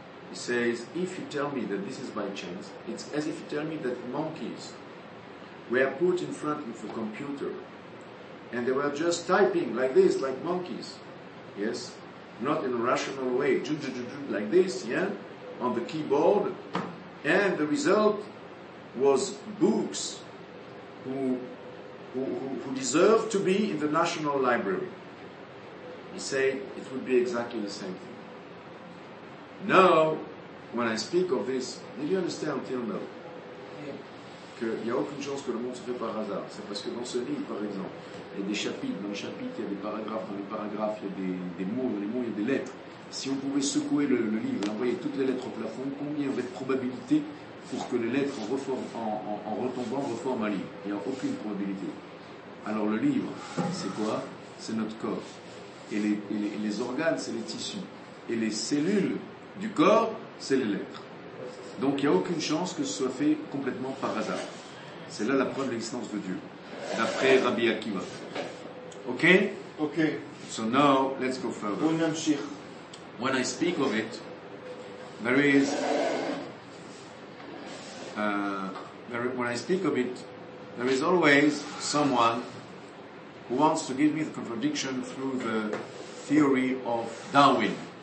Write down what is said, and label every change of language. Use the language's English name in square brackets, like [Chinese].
[English] He says, if you tell me that this is by chance, it's as if you tell me that monkeys were put in front of a computer and they were just typing like this, like monkeys, yes, not in a rational way, like this, yeah, on the keyboard, and the result was books who deserve to be in the National Library. He said it would be exactly the same thing. Now, when I speak of this, did you understand until now? [French] Que il y a aucune chance que le monde se fait par hasard. C'est parce que dans ce livre, par exemple, il y a des chapitres, dans les chapitres, il y a des paragraphes, dans les paragraphes, il y a des mots, dans les mots, il y a des lettres. Si on pouvait secouer le livre, envoyer toutes les lettres au plafond, combien aurait de probabilité pour que les lettres en retombant reforment un livre? Il n'y a aucune probabilité. Alors le livre, c'est quoi? C'est notre corps. Et les organes, c'est les tissus. Et les cellules du corps, c'est les lettres. Donc il n'y a aucune chance que ce soit fait complètement par hasard. C'est là la preuve de l'existence de Dieu, d'après Rabbi Akiva. Ok? Ok. [English] So now, let's go further. When I speak of it, there is always someone who wants to give me the contradiction through the theory of Darwin.